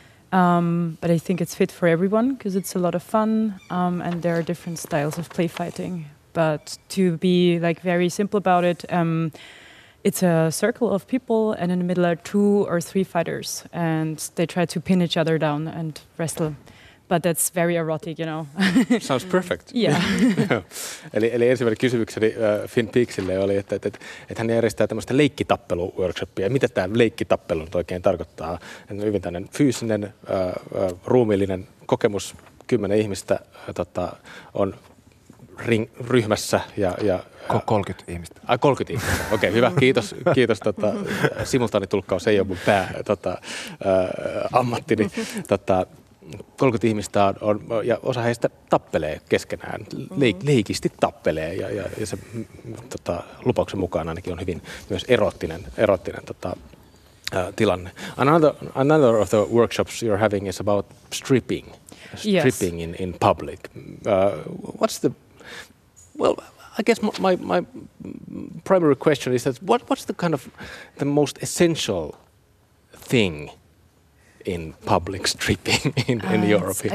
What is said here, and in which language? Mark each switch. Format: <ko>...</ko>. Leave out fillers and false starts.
<en>But I think it's fit for everyone because it's a lot of fun and there are different styles of play fighting. But to be like very simple about it, it's a circle of people and in the middle are two or three fighters and they try to pin each other down and wrestle. But that's very erotic, you know. Sounds perfect. Yeah.</en> <fi>eli ensimmäinen kysymykseni Finn Peaksille oli, että hän järjestää tämmöistä leikkitappelu-workshopia. Mitä tämä leikkitappelu oikein tarkoittaa? Hyvin tämmöinen fyysinen, ruumiillinen kokemus. 10 ihmistä on ryhmässä ja 30 ihmistä. Ai 30 ihmistä. Okei, okay, hyvä. Kiitos tota, simultaanitulkkaus ei ole mun pää tota, ammattini. 30 ihmistä on, ja osa heistä tappelee keskenään, leikisti tappelee ja se tota, lupauksen mukaan ainakin on hyvin myös erottinen tota, tilanne.</fi> <en>Another of the workshops you're having is about stripping yes. in public. I guess my primary question is that what's the kind of the most essential thing in public stripping in your opinion?</en>